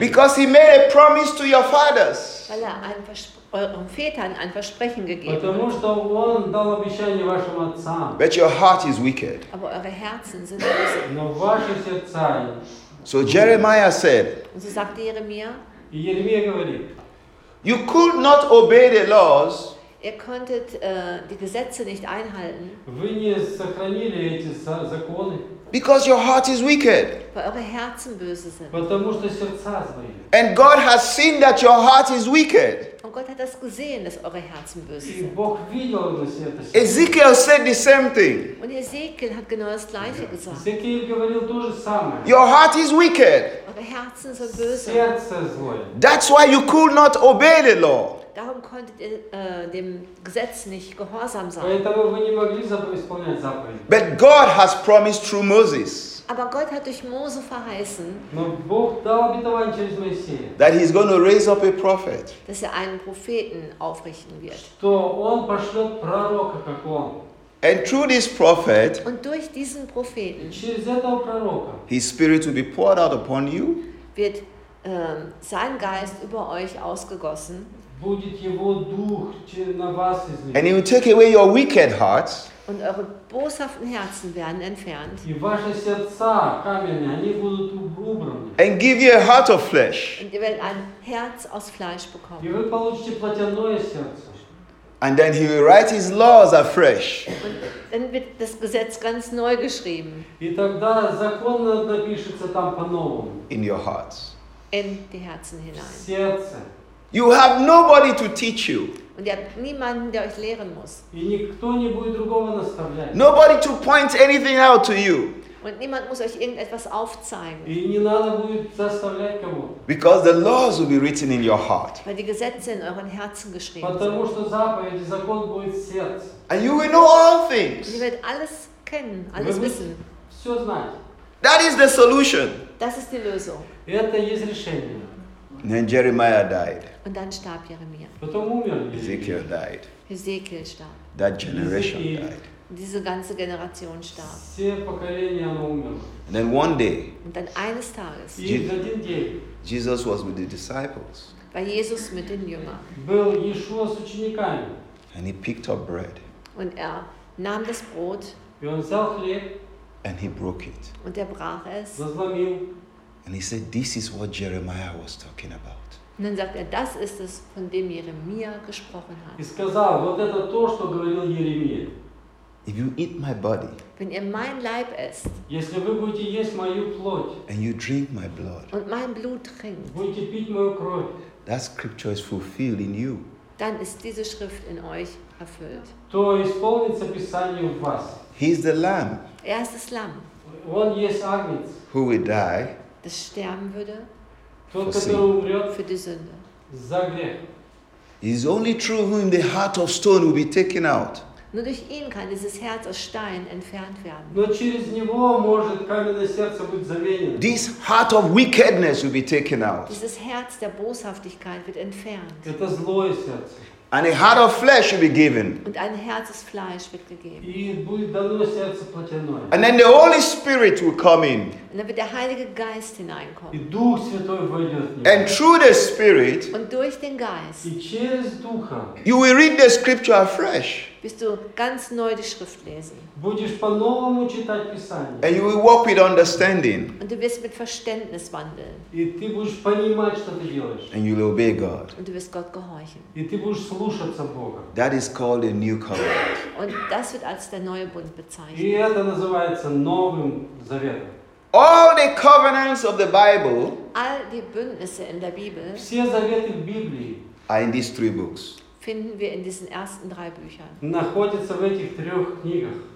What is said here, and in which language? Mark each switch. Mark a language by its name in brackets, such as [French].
[English] Because He made a promise to your fathers. [German] Weil er euren Vätern ein Versprechen gegeben hat. [Russian] Потому что Он дал обещание вашим отцам. [English] But your heart is wicked. [German] Aber eure Herzen sind böse. [Russian] Но ваши сердца. [English] So Jeremiah said. [German] Und so sagte Jeremia. [Russian] Jeremia говорит. [English] You could not obey the laws. [German] Ihr konntet die Gesetze nicht einhalten. [Russian] Вы не сохранили эти законы. [English] Because your heart is wicked. [German] Weil eure Herzen böse sind. [Russian] Потому что сердца злые. [English] And God has seen that your heart is wicked. [German] Und Gott hat das gesehen, dass eure Herzen böse sind. [Russian] И Бог видел, [German] dass ihr [Russian] это. [English] Ezekiel said the same thing. [German] Und Ezekiel hat genau das gleiche gesagt. [Russian] Ezekiel говорил то же самое. [English] Your heart is wicked. [German] Eure Herzen sind böse. [Russian] Сердце злое. [English] That's why you could not obey the law. [German] Darum konntet ihr dem Gesetz nicht gehorsam sein. [Russian] Поэтому вы не могли исполнять заповедь. [English] But God has promised through Moses. [German] Aber Gott hat durch Mose verheißen. [Russian] Но Бог дал обетование через Моисея. [English] That He's going to raise up a prophet. [German] Dass er einen Propheten aufrichten wird. [Russian] Что он пошлет пророка, как он. [English] And through this prophet. [German] Und durch diesen Propheten. [Russian] Через этого пророка. [English] His spirit will be poured out upon you. [German] Wird sein Geist über euch ausgegossen. [Russian] Будет его дух на вас излить. [English] And he will take away your wicked hearts. [German] Und eure boshaften Herzen werden entfernt. [Russian] И ваши сердца каменные, они будут убраны. [English] And give you a heart of flesh. [German] Und ihr werdet ein Herz aus Fleisch bekommen. [Russian] И вы получите плотяное сердце. [English] And then he will write his laws afresh. [German] Und dann wird das Gesetz ganz neu geschrieben. [Russian] И тогда закон напишется там по-новому. [English] In your hearts. [German] In die Herzen hinein. [Russian] Сердце. [English] You have nobody to teach you. [German] Und ihr habt niemanden, der euch lehren muss. [Russian] И никто не будет другого наставлять. [English] Nobody to point anything out to you. [German] Und niemand muss euch irgendetwas aufzeigen. [Russian] И не надо будет заставлять кого. [English] Because the laws will be written in your heart. [German] Weil die Gesetze in euren Herzen geschrieben sind. [Russian] Потому что заповеди, закон будет в сердце. [English] And you will know all things. [German] Ihr werdet alles kennen, alles wissen. [Russian] Все знать. [English] That is the solution. [German] Das ist die Lösung. [Russian] Это есть решение. [English] And then Jeremiah died. [German] Und dann starb Jeremia. [English] Ezekiel died. [German] Ezekiel starb. [English] That generation died. [German] Diese ganze Generation starb. [Russian] Все поколения умерли. [English] And then one day. [German] Und dann eines Tages. [English] Jesus was with the disciples. [German] War Jesus mit den Jüngern. [Russian] Был Иешуа с учениками. [English] And he picked up bread. [German] Und er nahm das Brot. [Russian] И он взял хлеб. [English] And he broke it. [German] Und er brach es. [English] And he said, "This is what Jeremiah was talking about." [German] Und dann sagt er, das ist es, von dem Jeremia gesprochen hat. [Russian] И сказал, вот это то, что говорил Иеремия. [English] If you eat my body, [German] wenn ihr mein Leib esst, [Russian] если вы будете есть мою плоть, [English] and you drink my blood, [German] und mein Blut trinkt, [Russian] будете пить мою кровь, [English] that scripture is fulfilled in you. [German] Dann ist diese Schrift in euch erfüllt. [Russian] То исполнится Писание в вас. [English] He is the Lamb. [German] Er ist das Lamm. [Russian] Он есть Агнец. [English] Who will die? [German] Das sterben würde für die Sünde. [English] It is only through whom the heart of stone will be taken out. [German] Nur durch ihn kann dieses Herz aus Stein entfernt werden. Nur [Russian] через него может каменное сердце быть заменено. [English] This heart of wickedness will be taken out. [German] Dieses Herz der Boshaftigkeit wird entfernt. [Russian] Это злое сердце. [English] And a heart of flesh will be given. [German] Und ein Herz aus Fleisch wird gegeben. [Russian] И будет дано сердце плотяное. [English] And then the Holy Spirit will come in. [German] hinein. Dann wird der Heilige Geist hineinkommen. Und [Russian] Duch Святой войдет. [English] And through the Spirit. [German] Und durch den Geist. [Russian] И через Духа. [English] You will read the Scripture afresh. [German] Wirst du ganz neu die Schrift lesen. [Russian] Будешь по-новому читать Писание. [English] And you will walk with understanding. [German] Und du wirst mit Verständnis wandeln. [Russian] И ты будешь понимать, что ты делаешь. [English] And you will obey God. [German] Und du wirst Gott gehorchen. [Russian] И ты будешь слушаться Бога. [English] That is called a new covenant. [German] Und das wird als der neue Bund bezeichnet. [Russian] И это называется новым заветом. [English] All the covenants of the Bible. [German] All die Bündnisse in der Bibel. [Russian] Все заветы в Библии. [English] Are in these three books. [German] Finden wir in diesen ersten drei Büchern. [Russian] Находится в этих трех книгах.